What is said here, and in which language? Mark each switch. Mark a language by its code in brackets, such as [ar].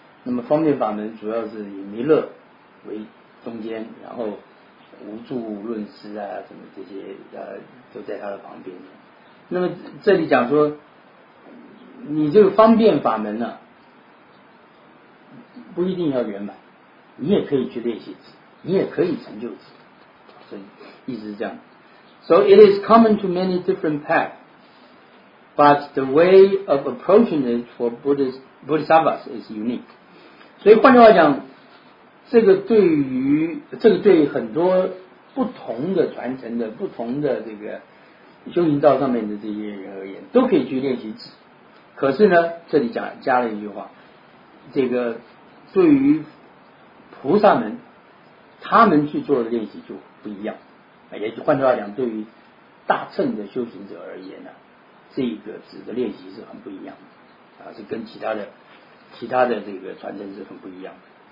[zh] 那么方便法门主要是以弥勒为中间，然后无助论师啊什么这些都在他的旁边。那么这里讲说你这个方便法门呢、啊、不一定要圆满，你也可以去练习止，你也可以成就止，所以一直是这样。 [en] So it is common to many different paths, but the way of approaching it for Bodhisattvas is unique. [zh] 所以换句话讲，这个对很多不同的传承的不同的这个修行道上面的这些人而言都可以去练习止。可是呢，这里讲加了一句话，这个对于菩萨们他们去做的练习就不一样，也就换句话讲，对于大乘的修行者而言呢、啊、这个止的练习是很不一样的、是跟其他的这个传承是很不一样的。